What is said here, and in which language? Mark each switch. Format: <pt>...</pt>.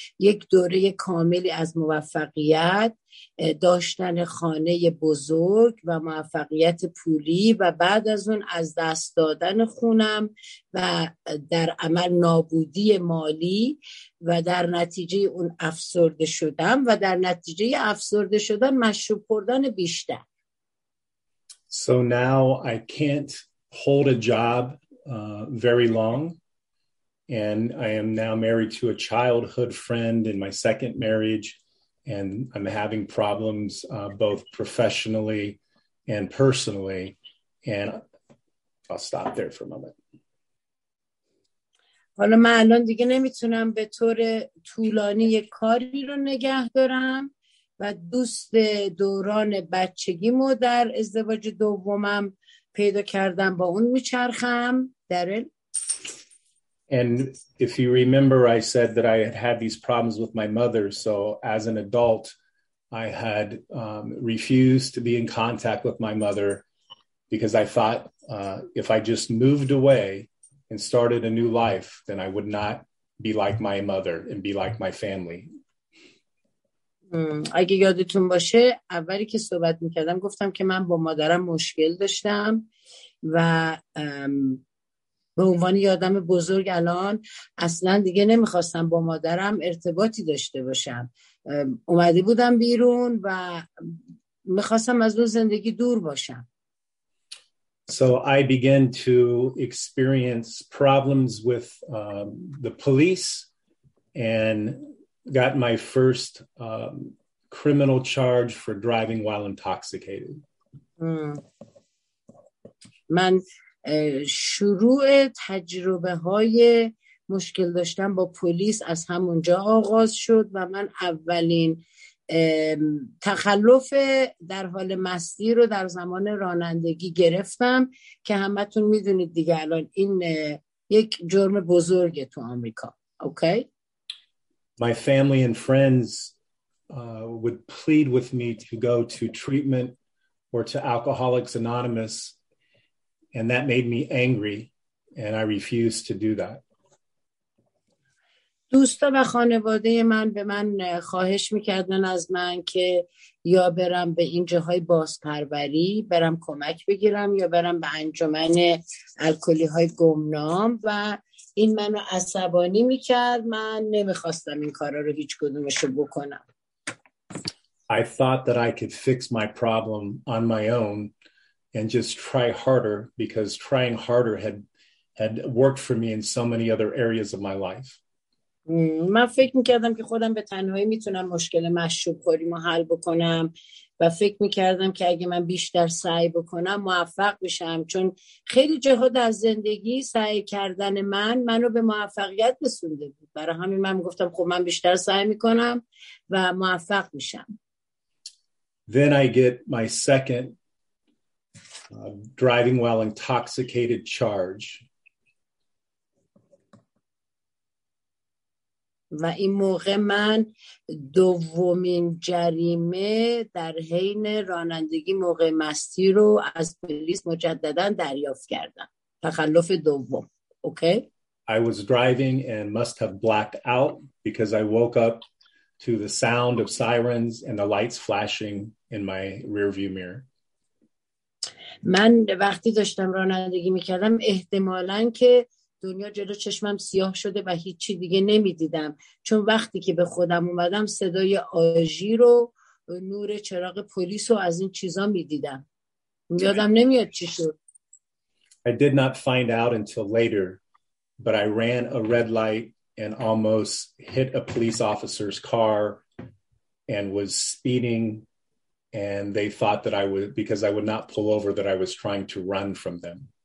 <fa>یک دوره کاملی از موفقیت، داشتن خانه بزرگ و موفقیت پولی و بعد از اون از دست دادن خونم و در عمل نابودی مالی و در نتیجه اون افسرده شدم و در نتیجه افسرده شدن مشروب خوردن بیشتر.</fa> <en>So now I can't hold a job very long, and I am now married to a childhood friend in my second marriage, and I'm having problems both professionally and personally, and I'll stop there for a moment.</en> <fa>حالا من الان دیگه نمیتونم به طور طولانی یک کاری رو نگه دارم و دوست دوران بچگیمو در ازدواج دومم پیدا کردم با اون میچرخم.</fa> <en>And if you remember, I said that I had had these problems with my mother. So as an adult, I had refused to be in contact with my mother because I thought if I just moved away and started a new life, then I would not be like my mother and be like my family.</en> <fa>اگه یادتون باشه اولی که صحبت میکردم گفتم که من با مادرم مشکل داشتم و به عنوان یه آدم بزرگ الان اصلا دیگه نمیخواستم با مادرم ارتباطی داشته باشم. اومده بودم بیرون و میخواستم از اون زندگی دور باشم.</fa> <en>So I began to experience problems with the police and got my first criminal charge for driving while intoxicated.</en> <fa>من شروع تجربه های مشکل داشتن با پلیس از همونجا آغاز شد و من اولین تخلف در حال مستی رو در زمان رانندگی گرفتم که همه تون میدونید دیگه الان این یک جرم بزرگه تو آمریکا. اوکی؟</fa> <en>My family and friends would plead with me to go to treatment or to Alcoholics Anonymous. And that made me angry, and I refused to do that.</en> <fa>دوستا و خانواده من به من خواهش میکردن از من که یا برم به این جاهای بازپروری، برم کمک بگیرم، یا برم به انجمن الکلی های گمنام و این منو عصبانی میکرد. من نمیخواستم این کارا رو هیچ کدومش بکنم.</fa> <en>I thought that I could fix my problem on my own and just try harder because trying harder had worked for me in so many other areas of my life.</en> <fa>من فکر می‌کردم که خودم به تنهایی میتونم مشکل مشروب خوریمو حل بکنم و فکر می‌کردم که اگه من بیشتر سعی بکنم موفق بشم چون خیلی جاها در زندگی سعی کردن من منو به موفقیت رسونده بود. برای همین من گفتم خب من بیشتر سعی می‌کنم و موفق میشم.</fa> <en>Then I get my second driving while intoxicated charge.</en> <fa>و این موقع من دومین جریمه در حین رانندگی موقع مستی رو از پلیس مجددا دریافت کردم. تخلف دوم. اوکی؟</fa> <en>I was driving and must have blacked out because I woke up to the sound of sirens and the lights flashing in my rearview mirror.</en> <fa>من وقتی داشتم رانندگی میکردم احتمالاً که دنیا جلو چشمم سیاه شده و هیچی دیگه نمیدیدم چون وقتی که به خودم اومدم صدای آژیر و نور چراغ پلیس رو از این چیزا میدیدم. یادم نمیاد چی شد.</fa> <en>I did not find out until later, but I ran a red light and almost hit a police officer's car and was speeding. And they thought that I would, because I would not pull over, that I was trying to run from them.</en>